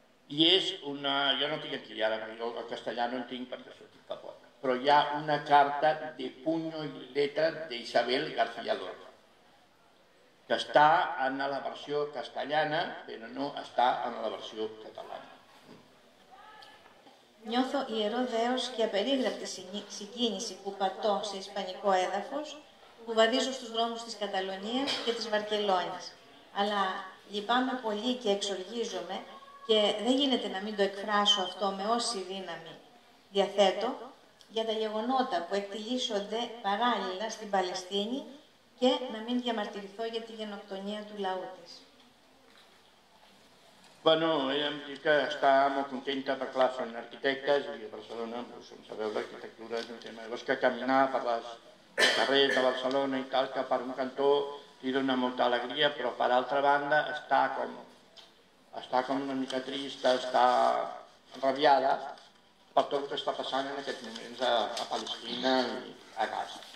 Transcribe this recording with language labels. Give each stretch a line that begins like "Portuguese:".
Catalan: I és una... Jo no tinc aquí ara, jo el castellà no en tinc perquè s'ho tinc a poc. Però hi ha una carta de puño i letra d'Isabel García Lorca, que està en la versió castellana, però no està en la versió catalana.
Greek: Νιώθω ιεροδέως και απερίγραπτη συγκίνηση που πατώ σε ισπανικό έδαφος, που βαδίζω στους δρόμους της Καταλωνίας και της Βαρκελόνης. Αλλά λυπάμαι πολύ και εξοργίζομαι και δεν γίνεται να μην το εκφράσω αυτό με όση δύναμη διαθέτω για τα γεγονότα που εκτυλίσσονται παράλληλα στην Παλαιστίνη και να μην διαμαρτυρηθώ για τη γενοκτονία του λαού της.
Catalan: Bueno, ella em diu que està molt contenta perquè la són arquitectes i a Barcelona, doncs, com sabeu, l'arquitectura és un tema. Llavors que caminar per les carrers de Barcelona i tal, que per un cantó li dona molta alegria, però per altra banda està com una mica trista, està enrabiada per tot el que està passant en aquests moments a Palestina i a Gaza.